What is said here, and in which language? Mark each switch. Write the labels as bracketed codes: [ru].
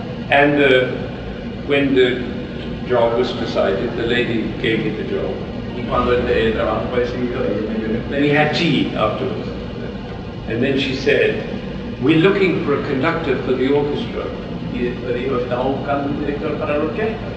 [en] And when the job was decided, the lady gave me the job. [es] Y cuando el trabajo fue decidido, ella me dio el empleo. [en] We had tea afterwards. And then she said, we're looking for a conductor for the orchestra. [es] Y después dijo, estamos buscando un director para la orquesta.